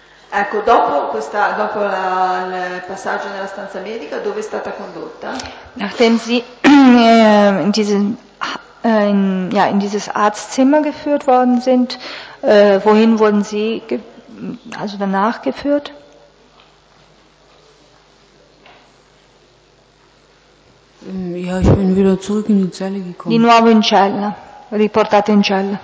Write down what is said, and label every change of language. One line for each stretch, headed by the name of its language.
Italian: Ecco, dopo il passaggio nella stanza medica, dove è stata condotta?
German: Nachdem sie in dieses Arztzimmer geführt worden sind, wohin wurden sie also danach geführt? Ja, ich bin wieder zurück in die Zelle gekommen.
Italian: Di nuovo in cella, riportata in cella.